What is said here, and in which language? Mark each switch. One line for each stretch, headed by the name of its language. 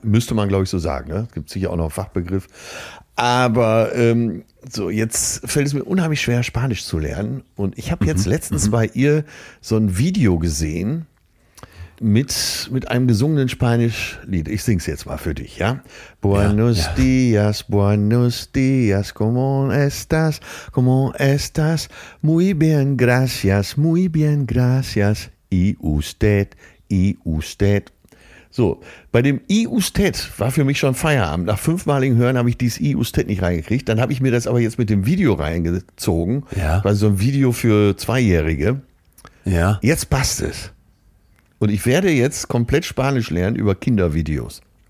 German: Müsste man, glaube ich, so sagen. Es gibt sicher auch noch einen Fachbegriff. Aber so, jetzt fällt es mir unheimlich schwer, Spanisch zu lernen. Und ich habe jetzt letztens bei ihr so ein Video gesehen mit einem gesungenen Spanischlied. Ich sing's jetzt mal für dich, ja?
Spanish: Buenos dias, buenos dias, como estás, muy bien, gracias, y usted.
German: So, bei dem
Spanish: I usted
German: war für mich schon Feierabend. Nach fünfmaligen Hören habe ich dieses
Spanish: I usted
German: nicht reingekriegt. Dann habe ich mir das aber jetzt mit dem Video reingezogen. Ja. Weil so ein Video für Zweijährige. Ja. Jetzt passt es. Und ich werde jetzt komplett Spanisch lernen über Kindervideos.